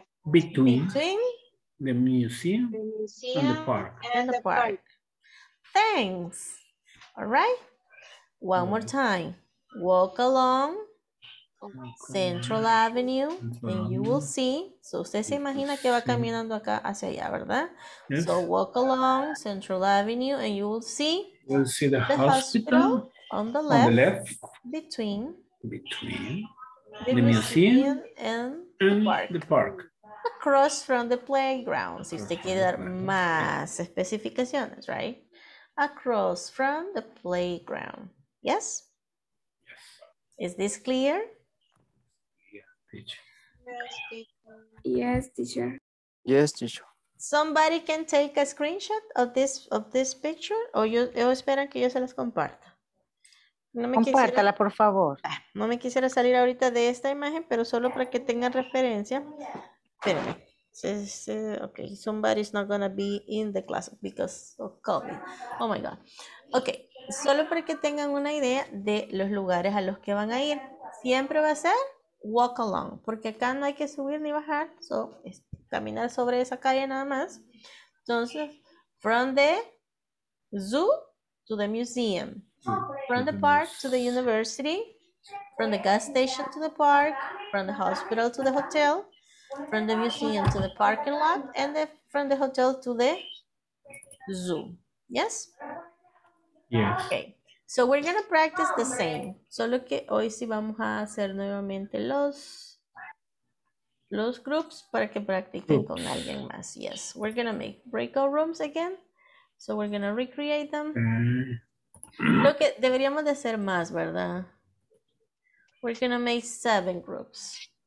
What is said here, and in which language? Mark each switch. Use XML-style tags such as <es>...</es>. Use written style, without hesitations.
<en>Between the museum and the park. Thanks. All right. One more time. Walk along Central Avenue and you will see.</en> <es>So usted se imagina que va caminando acá hacia allá, ¿verdad?</es> <en>Yes. So walk along Central Avenue and you will see. We'll see the hospital on the left. Between. The museum and the park. Across from the playground.</en> <es>Si usted quiere dar más especificaciones, right?</es> <en>Across from the playground. Yes? Yes. Is this clear? Yeah, teacher. Yes, teacher. Yes, teacher. Somebody can take a screenshot of this picture or</en> <es>yo espero que yo se las comparta. No me compártala, quisiera, por favor. No me quisiera salir ahorita de esta imagen, pero solo para que tengan referencia. Espérenme.</es> <en>Okay, somebody's not gonna be in the class because of COVID. Oh my God.</en> <es>Okay, solo para que tengan una idea de los lugares a los que van a ir. Siempre va a ser walk along, porque acá no hay que subir ni bajar, so es caminar sobre esa calle nada más.</es> <en>Entonces, from the zoo to the museum, from the park to the university, from the gas station to the park, from the hospital to the hotel, from the museum to the parking lot, and from the hotel to the zoo. Yes? Yes. Okay. So we're going to practice the same.</en> <es>Solo que hoy sí vamos a hacer nuevamente los groups para que practiquen con alguien más.</es> <en>Yes. We're going to make breakout rooms again. So we're going to recreate them.</en> <es>Lo que deberíamos de hacer más, ¿verdad?</es> <en>We're going to make 7 groups.</en>